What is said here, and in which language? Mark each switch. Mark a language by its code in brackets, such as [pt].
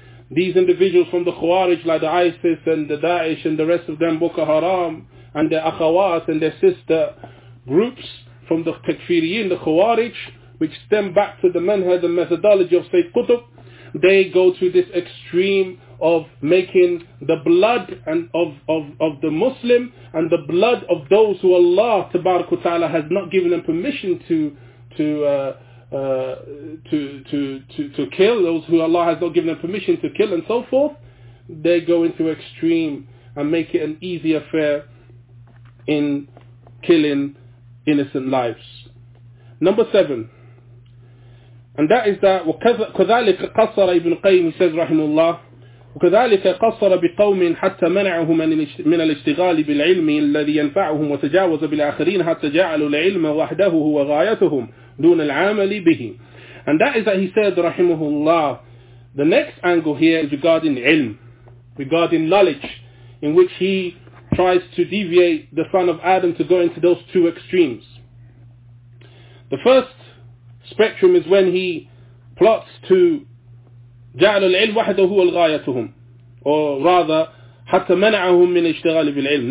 [en] These individuals from the Khawarij, like the ISIS and the Daesh and the rest of them, Boko Haram and their Akhawat and their sister groups from the Takfiriyin, the Khawarij, which stem back to the manhaj and methodology of Sayyid Qutb, they go to this extreme of making the blood and of the Muslim and the blood of those who Allah tabarak wa ta'ala has not given them permission to to kill those who Allah has not given them permission to kill and so forth, they go into extreme and make it an easy affair in killing innocent lives. Number 7, and that is that [ar] وَكَذَلِكَ قَصَّرَ إِبْنُ قَيْمِ, [en] he says rahimullah, [ar] وَكَذَلِكَ قَصَّرَ بِقَوْمٍ حَتَّى مَنَعَهُمَ مِنَ الْاشْتِغَالِ بِالْعِلْمِ الَّذِي يَنْفَعُهُمْ وَتَجَاوَزَ بِالْآخِرِينَ حَتَّى جَعَلُوا الْعِلْمَ وَحْدَهُ هُوَ غَايَتُهُمْ دُونَ الْعَامَلِ بِهِ. [en] And that is that, he said rahimahullah, the next angle here is regarding ilm, regarding knowledge, in which he tries to deviate the son of Adam to go into those two extremes. The first spectrum is when he plots to [ar] جعل العلم وحده هو الغايتهم, [en] or rather [ar] حتى منعهم من اشتغال بالعلم.